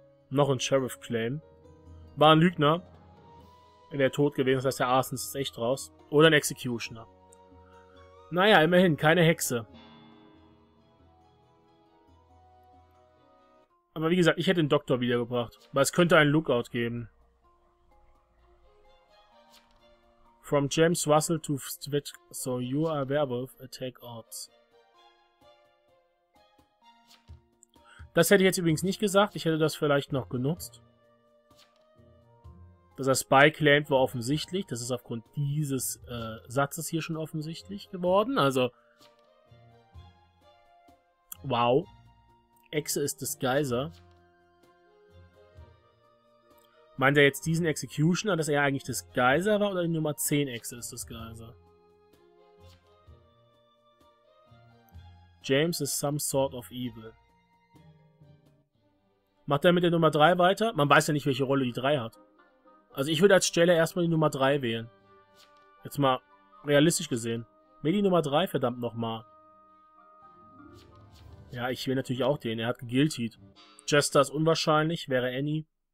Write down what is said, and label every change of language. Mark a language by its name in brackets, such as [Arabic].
[German] Noch ein Sheriff-Claim. War ein Lügner. In der Tod gewesen, das heißt, der Arsons ist echt raus. Oder ein Executioner. Naja, immerhin, keine Hexe. Aber wie gesagt, ich hätte den Doktor wiedergebracht. Weil es könnte einen Lookout geben. [English] From James Russell to Svet. So you are a werewolf, attack odds. [German] Das hätte ich jetzt übrigens nicht gesagt. Ich hätte das vielleicht noch genutzt. Dass er Spy claimt, war offensichtlich. Das ist aufgrund dieses Satzes hier schon offensichtlich geworden. Also. Wow. Exe ist Disguiser. Meint er jetzt diesen Executioner, dass er eigentlich Disguiser war? Oder die Nummer 10 Exe ist Disguiser? [English] James is some sort of evil. [German] Macht er mit der Nummer 3 weiter? Man weiß ja nicht, welche Rolle die 3 hat. Also ich würde als Jailer erstmal die Nummer 3 wählen. Jetzt mal realistisch gesehen. Wähl die Nummer 3, verdammt nochmal. Ja, ich wähle natürlich auch den. Er hat gegiltied. Jester ist unwahrscheinlich, wäre Annie.